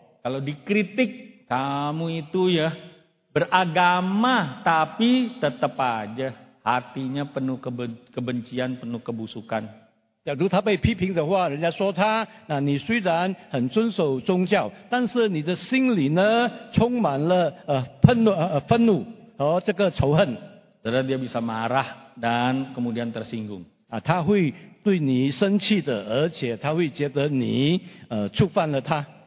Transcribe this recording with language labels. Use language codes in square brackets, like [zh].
[id] Kalau dikritik, kamu itu ya beragama tapi tetap aja hatinya penuh kebencian, penuh kebusukan. [zh] 假如他被批评的话，人家说他，那你虽然很遵守宗教，但是你的心里呢，充满了愤怒和这个仇恨。 [id] Saudara dia bisa marah dan kemudian tersinggung. [zh] 他会对你生气的，而且他会觉得你触犯了他。